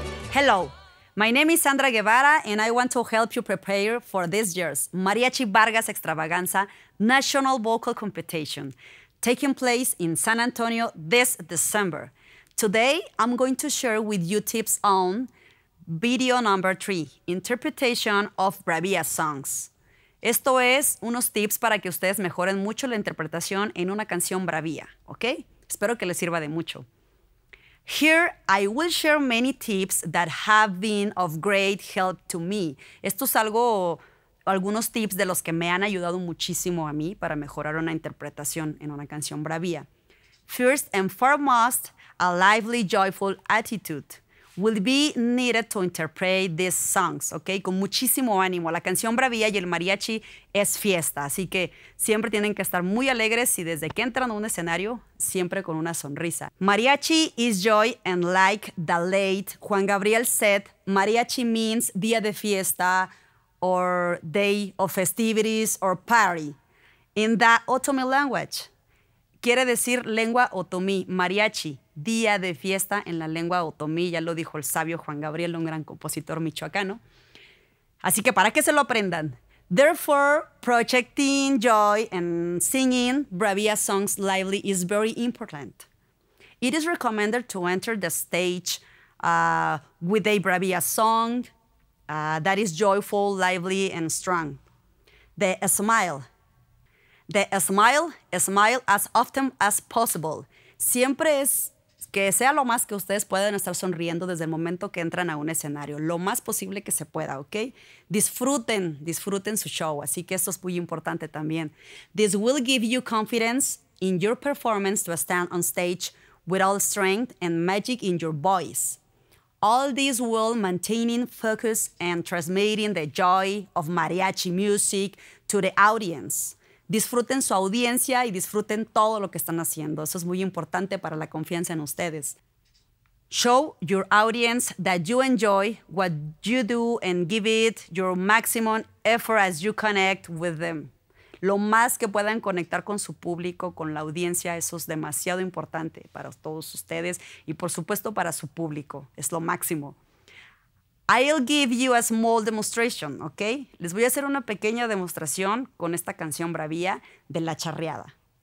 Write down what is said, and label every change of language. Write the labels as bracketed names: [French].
[English] Hello, my name is Sandra Guevara, and I want to help you prepare for this year's Mariachi Vargas Extravaganza National Vocal Competition, taking place in San Antonio this December. Today, I'm going to share with you tips on video number 3, interpretation of Bravia songs. [Spanish] Esto es unos tips para que ustedes mejoren mucho la interpretación en una canción Bravia, ¿ok? Espero que les sirva de mucho. [English] Here, I will share many tips that have been of great help to me. [Spanish] Esto es algo, algunos tips de los que me han ayudado muchísimo a mí para mejorar una interpretación en una canción Bravia. [English] First and foremost, a lively, joyful attitude will be needed to interpret these songs, ¿ok? [Spanish] Con muchísimo ánimo. La canción Bravia y el mariachi es fiesta, así que siempre tienen que estar muy alegres y desde que entran a un escenario, siempre con una sonrisa. [English] Mariachi is joy and like the late Juan Gabriel said, mariachi means [Spanish] día de fiesta [English] or day of festivities or party in the Otomi language. [Spanish] Quiere decir lengua otomí, mariachi, día de fiesta en la lengua otomí, ya lo dijo el sabio Juan Gabriel, un gran compositor michoacano. Así que para que se lo aprendan. [English] Therefore, projecting joy and singing Bravia songs lively is very important. It is recommended to enter the stage with a Bravia song that is joyful, lively, and strong. The smile as often as possible. [Spanish] Siempre es que sea lo más que ustedes puedan estar sonriendo desde el momento que entran a un escenario. Lo más posible que se pueda, ¿ok? Disfruten su show. Así que esto es muy importante también. [English] This will give you confidence in your performance to stand on stage with all strength and magic in your voice. All this while maintaining focus and transmitting the joy of mariachi music to the audience. [Spanish] Disfruten su audiencia y disfruten todo lo que están haciendo. Eso es muy importante para la confianza en ustedes. [English] Show your audience that you enjoy what you do and give it your maximum effort as you connect with them. [Spanish] Lo más que puedan conectar con su público, con la audiencia, eso es demasiado importante para todos ustedes y, por supuesto, para su público. Es lo máximo. [English] I'll give you a small demonstration, [Spanish] ¿ok? Les voy a hacer una pequeña demostración con esta canción Bravia de La Charreada.